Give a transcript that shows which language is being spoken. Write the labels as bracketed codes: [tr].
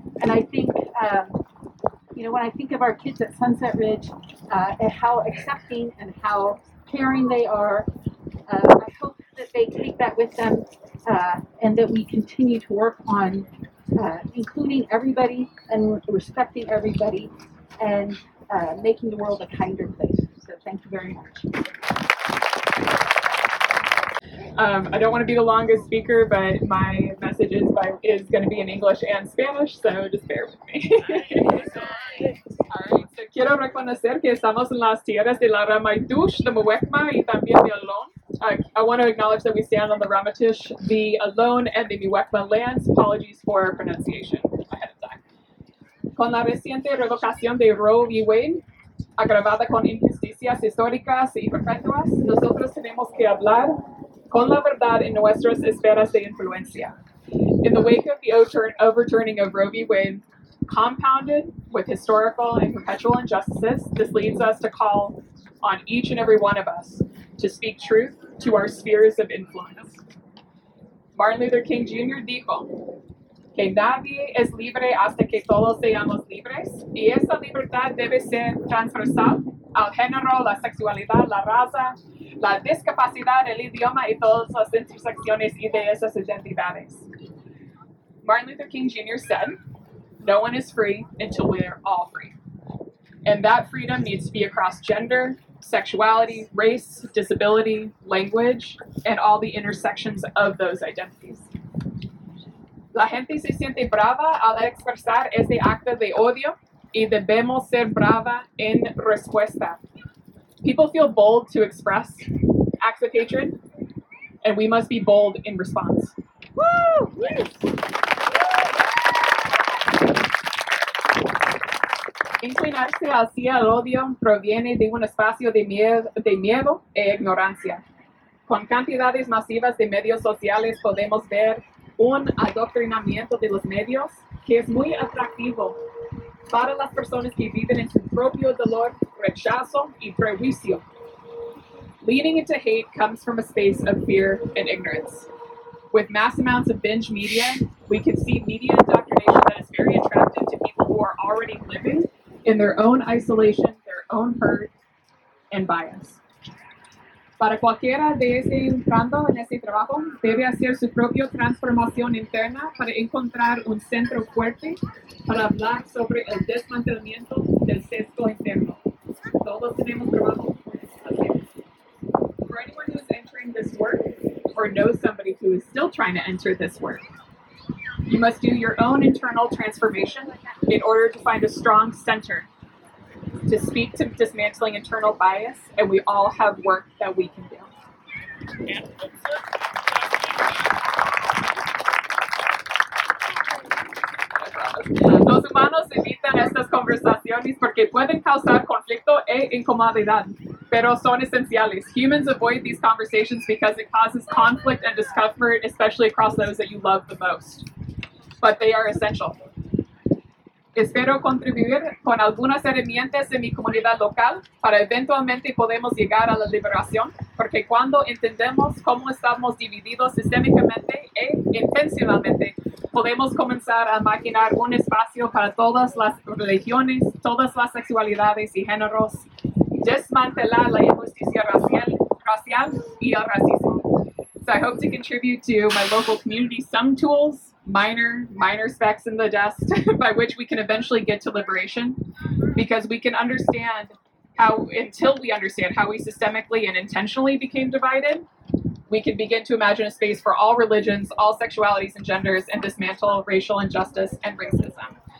[en] And I think, you know, when I think of our kids at Sunset Ridge, and how accepting and how caring they are, I hope that they take that with them and that we continue to work on including everybody and respecting everybody. And making the world a kinder place. So thank you very much. I don't want to be the longest speaker, but my message is going to be in English and Spanish, so just bear with me. All right, so [es] quiero reconocer que estamos en las tierras de la Ramaytush, de Muwekma, y también de Alon. [en] I want to acknowledge that we stand on the Ramaytush, the Alon, and the Muwekma lands. Apologies for pronunciation. [es] Con la reciente revocación de Roe v. Wade, agravada con injusticias históricas y perpetuas, nosotros tenemos que hablar con la verdad en nuestras esferas de influencia. [en] In the wake of the overturning of Roe v. Wade, compounded with historical and perpetual injustices, this leads us to call on each and every one of us to speak truth to our spheres of influence. [es] Martin Luther King Jr. dijo, que nadie es libre hasta que todos seamos libres, y esa libertad debe ser transversal al género, la sexualidad, la raza, la discapacidad, el idioma, y todas las intersecciones y de esas identidades. [en] Martin Luther King Jr. said, no one is free until we are all free. And that freedom needs to be across gender, sexuality, race, disability, language, and all the intersections of those identities. [es] La gente se siente brava al expresar ese acto de odio y debemos ser brava en respuesta. [en] People feel bold to express acts of hatred, and we must be bold in response. Woo! Yes. [es] Inclinarse hacia el odio proviene de un espacio de miedo e ignorancia. Con cantidades masivas de medios sociales podemos ver un adoctrinamiento de los medios que es muy atractivo para las personas que viven en su propio dolor, rechazo y prejuicio. [en] Leaning into hate comes from a space of fear and ignorance. With mass amounts of binge media, we can see media indoctrination that is very attractive to people who are already living in their own isolation, their own hurt, and bias. [es] Para cualquiera de ese entrando en ese trabajo, debe hacer su propia transformación interna para encontrar un centro fuerte para hablar sobre el desmantelamiento del sesgo interno. Todos tenemos trabajo. [en] For anyone who is entering this work, or knows somebody who is still trying to enter this work, you must do your own internal transformation in order to find a strong center to speak to dismantling internal bias, and we all have work that we can do. [es] Los humanos evitan estas conversaciones porque pueden causar conflicto e incomodidad, pero son esenciales. [en] Humans avoid these conversations because it causes conflict and discomfort, especially across those that you love the most. But they are essential. [es] Espero contribuir con algunas herramientas en mi comunidad local para eventualmente podemos llegar a la liberación, porque cuando entendemos cómo estamos divididos sistémicamente e intencionalmente, podemos comenzar a imaginar un espacio para todas las religiones, todas las sexualidades y géneros, desmantelar la injusticia racial y el racismo. [en] So I hope to contribute to my local community some tools, minor specks in the dust, by which we can eventually get to liberation, because we can understand how, until we understand how we systemically and intentionally became divided, we can begin to imagine a space for all religions, all sexualities and genders, and dismantle racial injustice and racism.